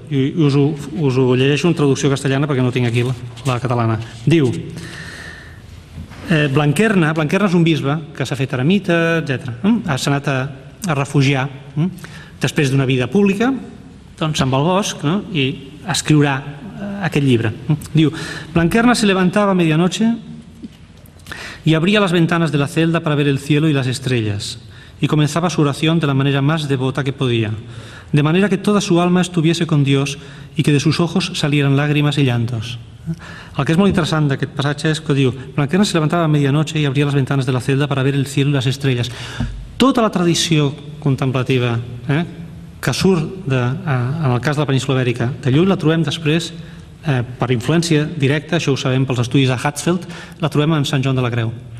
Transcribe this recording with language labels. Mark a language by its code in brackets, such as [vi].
[ca] Us ho llegeixo en traducció castellana perquè no tinc aquí la catalana. Diu, Blanquerna és un bisbe que s'ha fet eremita, etc. S'ha anat a refugiar després d'una vida pública, doncs amb el bosc, no? I escriurà aquest llibre. [es] Diu, Blanquerna se levantaba a medianoche y abría las ventanas de la celda para ver el cielo y las estrellas y comenzaba su oración de la manera más devota que podía, de manera que toda su alma estuviese con Dios y que de sus ojos salieran lágrimas y llantos. [ca] El que és molt interessant d'aquest passatge és que diu, [es] Blanquerna se levantaba a medianoche y abría las ventanas de la celda para ver el cielo y las estrellas. [ca] Tota la tradició contemplativa, que surt en el cas de la península Ibèrica de Llull, la trobem després per influència directa, això ho sabem pels estudis de Hatzfeld, la trobem en Sant Joan de la Creu.